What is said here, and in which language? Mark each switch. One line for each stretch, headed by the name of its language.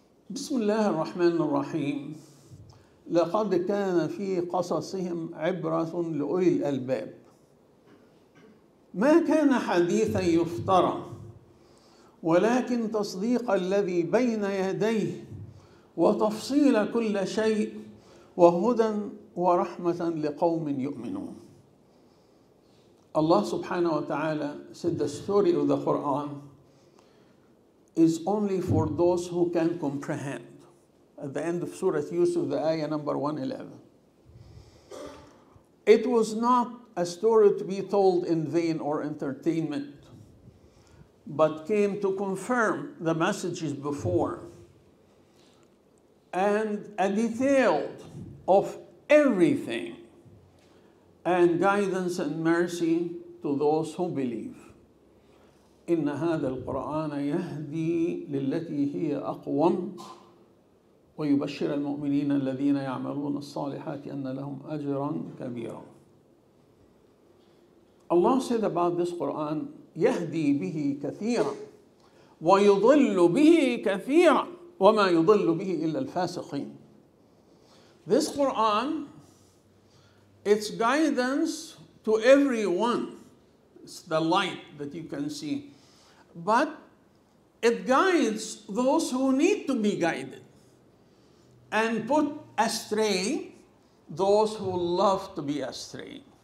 Arabic: بسم الله الرحمن الرحيم. لقد كان في قصصهم عبرة لأولي الألباب. ما كان حديثا يفترى ولكن تصديق الذي بين يديه وتفصيل كل شيء وهدى ورحمة لقوم يؤمنون. الله سبحانه وتعالى
English: said the story of the Quran is only for those who can comprehend. At the end of Surah Yusuf, the ayah number 111. It was not a story to be told in vain or entertainment, but came to confirm the messages before and a detailed of everything and guidance and mercy to those who believe.
Arabic: إِنَّ هَذَا الْقُرْآنَ يَهْدِي لِلَّتِي هِيَ أَقْوَمْ ويبشر المؤمنين الذين يعملون الصالحات أن لهم أجرا كبيرا.
English: Allah said about this Quran,
Arabic: يهدي به كثيرا ويضل به كثيرا وما يضل به إلا الفاسقين.
English: This Quran, it's guidance to everyone. It's the light that you can see. But it guides those who need to be guided. And put astray those who love to be astray.